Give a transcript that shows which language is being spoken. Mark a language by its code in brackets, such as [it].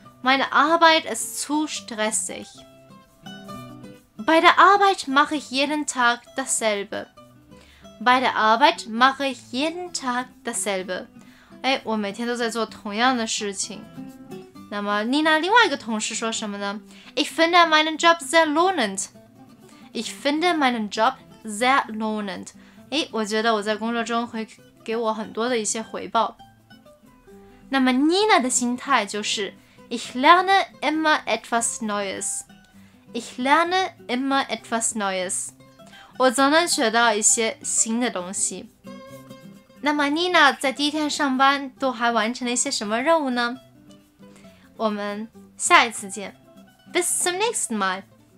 [de] Meine Arbeit ist zu stressig. Bei der Arbeit mache ich jeden Tag dasselbe. Bei der Arbeit mache ich jeden Tag dasselbe. [zh] 哎，我每天都在做同样的事情。那么Nina另外一个同事说什么呢？ [de] Ich finde meinen Job sehr lohnend. Ich finde meinen Job sehr lohnend. [zh] 诶，我觉得我在工作中会给我很多的一些回报。那么Nina的心态就是， [de] Ich lerne immer etwas Neues. Ich lerne immer etwas Neues. [zh] 我总能学到一些新的东西。那么Nina在第一天上班都还完成了一些什么任务呢？ 我们下一次见。 [de] Bis zum nächsten Mal.